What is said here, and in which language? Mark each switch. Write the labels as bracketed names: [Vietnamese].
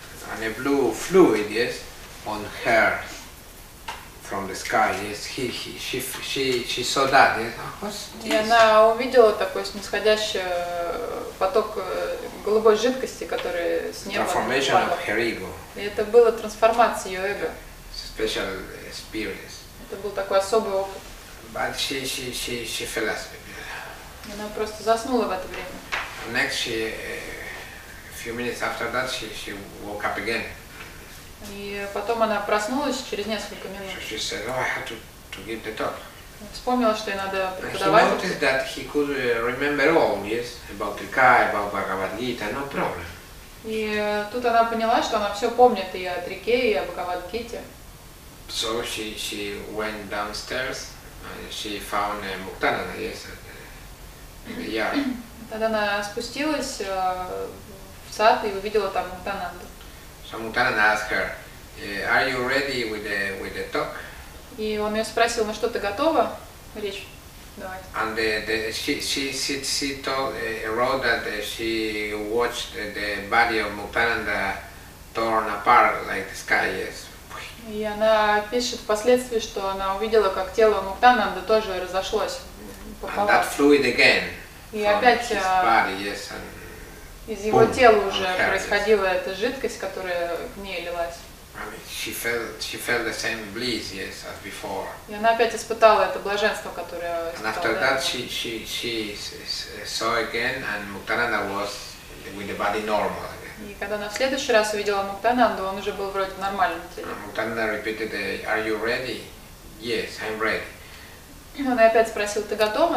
[English] And a blue fluid, yes, on her from the sky, yes. She saw that, yes. [Russian] И она увидела такой снисходящий поток голубой жидкости, который с неба. [English] Transformation of her ego. [Russian] И это было трансформация ее эго. [English] Special experience. [Russian] Это был такой особый опыт. [English] But she fell asleep. [Russian] Она просто заснула в это время. [English] Next, she a few minutes after that, she woke up again. [Russian] И потом она проснулась через несколько минут. [English] So she said, "Oh, I have to give the talk." [Russian] Вспомнила, что ей надо преподавать. [English] And he noticed that he could remember all, yes, about the Kai, about Bhagavad Gita, no problem. [Russian] И тут она поняла, что она все помнит и о Трике, и о Бхагавад Гите. [English] So she went downstairs. She found Muktananda, yes, in the yard. [Russian] Тогда она спустилась в сад и увидела там Muktananda. [English] So Muktananda asked her, "Are you ready with the talk?" [Russian] И он ее спросил, "Ну что, ты готова речь давать?" [English] And she wrote that she watched the body of Muktananda torn apart like the sky, yes. [Russian] И она пишет впоследствии, что она увидела, как тело Муктананды тоже разошлось пополам. [English] And that fluid again. [Russian] И опять [English] body, yes, and [Russian] из его тела уже происходила эта жидкость, которая к ней лилась. [English] I mean, she felt the same bliss, yes, as before. [Russian] И она опять испытала это блаженство, которое испытала. [English] And after that she saw again, and Muktananda was with the body normal. [Russian] И когда она в следующий раз увидела Муктананду, он уже был вроде в нормальном теле. [English] Муктананда repeated, "Are you ready?" "Yes, I'm ready." [Russian] Он опять спросил, "Ты готова?"